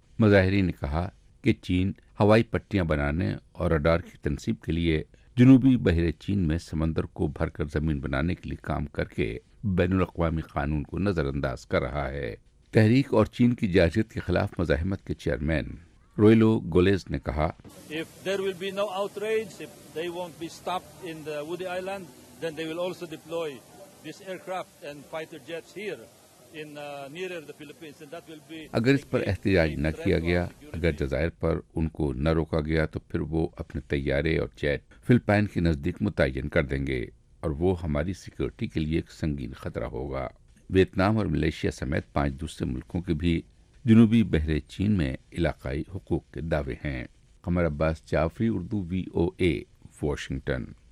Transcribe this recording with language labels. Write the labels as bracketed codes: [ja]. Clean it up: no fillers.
[ur] مظاہرین نے کہا کہ چین ہوائی پٹیاں بنانے اور رڈار کی تنصیب کے لیے جنوبی بحیرہ چین میں سمندر کو بھر کر زمین بنانے کے لیے کام کر کے بین الاقوامی قانون کو نظر انداز کر رہا ہے۔ تحریک اور چین کی جارحیت کے خلاف مزاحمت کے چیئرمین رویلو گولیز نے کہا، [en] If there will be no outrage, if they won't be stopped in the Woody Island, then they will also deploy this aircraft and fighter jets here. [ur] اگر اس پر احتجاج نہ کیا گیا، اگر جزائر پر ان کو نہ روکا گیا، تو پھر وہ اپنے طیارے اور جیٹ فلپائن کے نزدیک متعین کر دیں گے، اور وہ ہماری سیکورٹی کے لیے ایک سنگین خطرہ ہوگا۔ ویتنام اور ملیشیا سمیت پانچ دوسرے ملکوں کے بھی جنوبی بحیرہ چین میں علاقائی حقوق کے دعوے ہیں۔ قمر عباس جعفری، اردو وی او اے، واشنگٹن۔